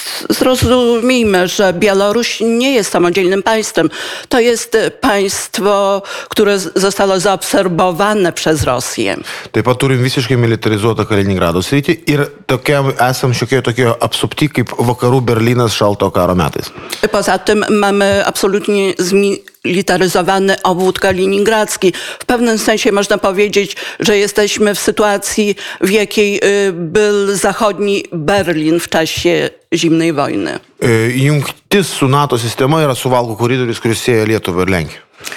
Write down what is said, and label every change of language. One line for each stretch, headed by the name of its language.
Polish: Zrozumijmy, że Białoruś nie jest samodzielnym państwem. To jest państwo, które zostało zaabsorbowane przez Rosję.
Lithuanian: Taip pat turim visiškai militarizuotą Kaliningrado sritį ir tokiam esam šiokio tokio apsupti kaip vakarų Berlynas šalto karo metais.
Polish: Poza tym mamy absolutnie zmilitaryzowany obwód kaliningradzki. W pewnym sensie można powiedzieć, że jesteśmy w sytuacji, w jakiej był zachodni Berlin w czasie zimnej wojny.
Lithuanian: Jungtis su NATO sistema yra Suvalkų koridorius, kuris sieja Lietuvą ir Lenkiją.